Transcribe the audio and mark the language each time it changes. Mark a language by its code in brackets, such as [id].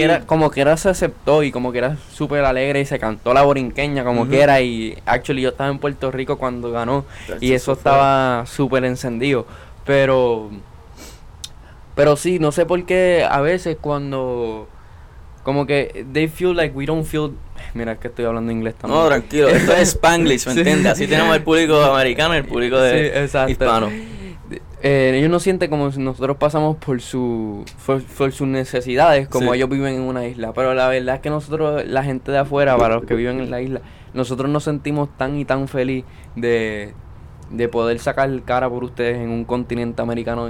[es] como que era se aceptó, y como que era súper alegre, y se cantó la borinqueña como... Uh-huh. Que era, y actually yo estaba en Puerto Rico cuando ganó. That's... Y eso estaba súper encendido. Pero sí, no sé por qué a veces cuando... Como que [en] they feel like we don't feel... [es] Mira, es que estoy hablando inglés también. No, tranquilo, esto es Spanglish, ¿me entiendes? Así tenemos el público americano y el público hispano. Ellos no sienten como si nosotros pasamos por sus necesidades, como sí. Ellos viven en una isla. Pero la verdad es que nosotros, la gente de afuera, para los que viven en la isla, nosotros nos sentimos tan y tan feliz de poder sacar cara por ustedes en un continente americano.